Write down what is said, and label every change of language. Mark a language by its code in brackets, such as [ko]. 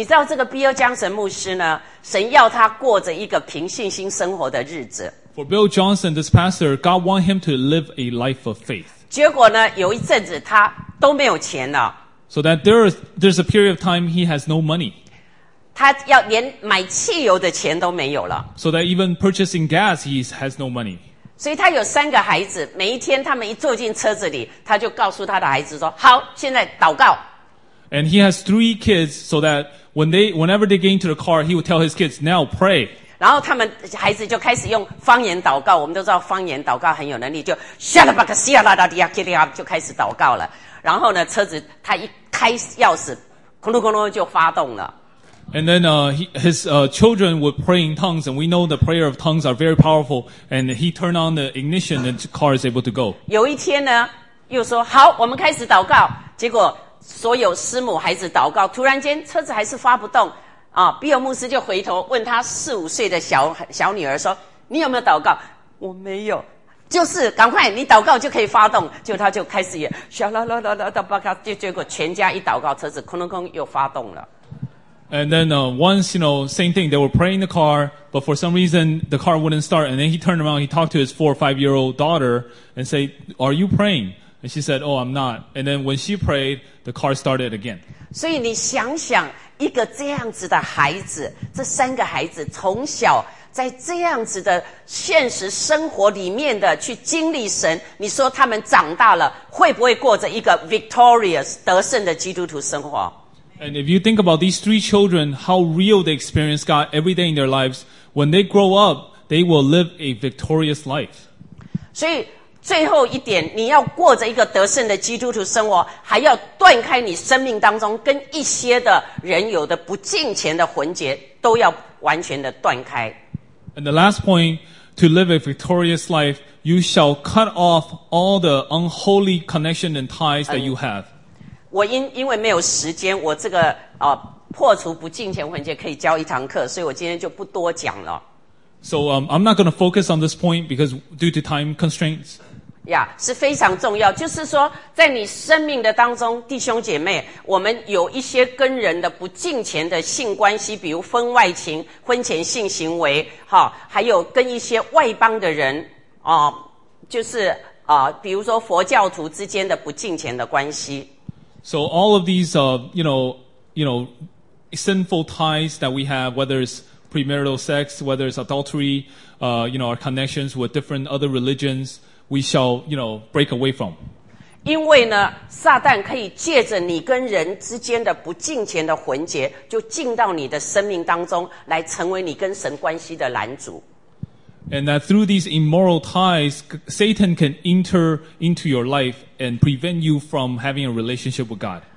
[zh] 你知道这个 Bill Johnson 牧师呢？神要他过着一个凭信心生活的日子。 [en] For Bill Johnson, this pastor, God want him to live a life of faith. [zh] 结果呢，有一阵子他都没有钱了。 [en] So that there's a period of time he has no money. [zh] 他要连买汽油的钱都没有了。 [en] So that even purchasing gas, he has no money. [zh] 所以他有三个孩子，每一天他们一坐进车子里，他就告诉他的孩子说：“好，现在祷告。” [en] And he has three kids, so that whenever they get into the car, he will tell his kids, "Now pray." [zh] 然后他们孩子就开始用方言祷告。我们都知道方言祷告很有能力，就 shalabak shalabadiyakiliya 就开始祷告了。然后呢，车子他一开钥匙，咕噜咕噜就发动了。 [en] And then children would pray in tongues, and we know the prayer of tongues are very powerful. And he turned on the ignition, and the car is able to go. [zh] 有一天呢，又说好，我们开始祷告。结果所有师母孩子祷告，突然间车子还是发不动。啊，比尔牧师就回头问他四五岁的小女儿说：“你有没有祷告？”“我没有。”“就是赶快，你祷告就可以发动。” 就他就开始也啦啦啦啦啦的报告，结果全家一祷告，车子空空空又发动了。 [en] And then once, you know, same thing, they were praying the car, but for some reason, the car wouldn't start. And then he turned around, he talked to his 4 or 5 year old daughter and said, "Are you praying?" And she said, "Oh, I'm not." And then when she prayed, the car started again. [zh] 所以你想想一个这样子的孩子，这三个孩子从小在这样子的现实生活里面的去经历神，你说他们长大了，会不会过着一个 victorious, 得胜的基督徒生活？ [en] And if you think about these three children, how real they experience God every day in their lives, when they grow up, they will live a victorious life. [zh] 所以最后一点，你要过着一个得胜的基督徒生活，还要断开你生命当中跟一些的人有的不敬虔的魂结，都要完全的断开。 [en] And the last point, to live a victorious life, you shall cut off all the unholy connection and ties that you have. [zh] 我因为没有时间，我这个破除不敬虔魂结可以教一堂课，所以我今天就不多讲了。 [en] So I'm not going to focus on this point because due to time constraints. [zh] Yeah, 是非常重要，就是说在你生命的当中，弟兄姐妹，我们有一些跟人的不敬虔的性关系，比如婚外情、婚前性行为，齁，还有跟一些外邦的人，就是比如说佛教徒之间的不敬虔的关系。 [en] So all of these, you know, sinful ties that we have, whether it's premarital sex, whether it's adultery, you know, our connections with different other religions, we shall, you know, break away from. [zh] 因为呢，撒旦可以借着你跟人之间的不敬虔的魂结，就进到你的生命当中，来成为你跟神关系的拦阻。 [en] And that through these immoral ties, Satan can enter into your life and prevent you from having a relationship with God.